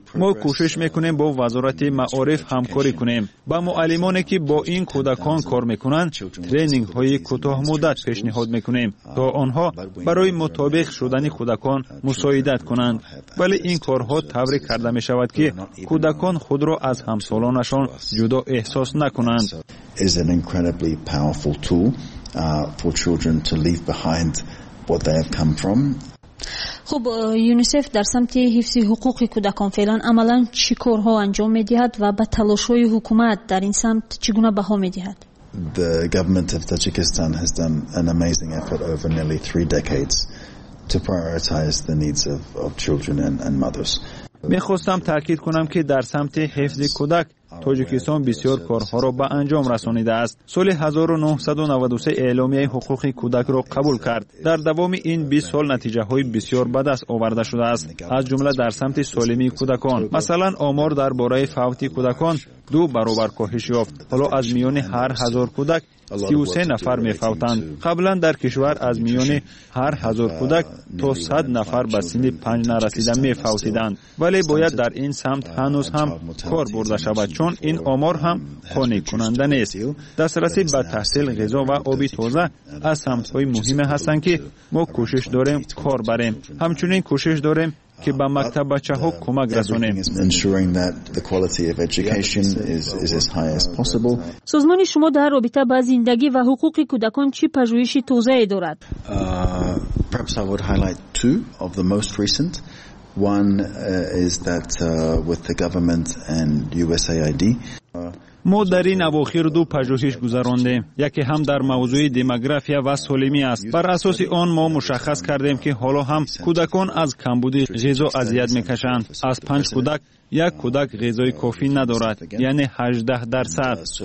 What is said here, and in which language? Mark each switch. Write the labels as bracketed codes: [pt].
[fa] ما کوشش میکنیم با وزارت معارف همکاری کنیم، با معلمانی که با این کودکان کار میکنند ترنینگ های کوتاه مدت پیشنهاد میکنیم تا آنها برای مطابق شدن کودکان مساعدت کنند. ولی این کارها طوری کرده میشود که کودکان خود را از همسالانشان جدا احساس نکنند. از این [en] incredibly powerful tool for children to leave behind what they have come from. [fa] خب یونیسف در سمت حفظ حقوق کودکان فعلا عملا چی کارها انجام می دهد و به تلاش های حکومت در این سمت چگونه بها می دهد؟ [en] The government of Tajikistan has done an amazing effort over nearly 3 decades to prioritize the needs of children and mothers. [fa] می خواستم تاکید کنم که در سمت حفظ کودک تاجیکستان بسیار کارها را به انجام رسانیده است. سال 1993 اعلامیه حقوق کودک را قبول کرد. در دوام این 20 سال نتیجه های بسیار بد است آورده شده است، از جمله در سمت سالمی کودکان. مثلا آمار در باره فوت کودکان 2 برابر کاهش یافت. حالا از میان هر 1000 کودک 33 نفر می فوتند. قبلا در کشور از میان هر 1000 کودک تا 100 نفر به سن 5 نرسیده می فوتیدند. ولی باید در این سمت هنوز هم کار برده شود، چون این آمار هم قانع کننده نیست. دسترسی به تحصیل، غذا و آب تازه از سمت های مهم هستند که ما کوشش داریم کار بریم. همچنین کوشش داریم که به مکتب بچه ها کمک رسانیم. سازمان شما در رابطه با زندگی و حقوق کودکان چی پژوهشی تازه ای دارد؟ [en] Perhaps I would highlight two of the most recent. One is that with the government and USAID. [fa] ما در این اواخر 2 پژوهش گذراندیم. یکی هم در موضوع دموگرافیا و سالمی است. بر اساس آن ما مشخص کردیم که حالا هم کودکان از کمبود غذا اذیت میکشند. از 5 کودک یک کودک غذای کافی ندارد، یعنی 18%.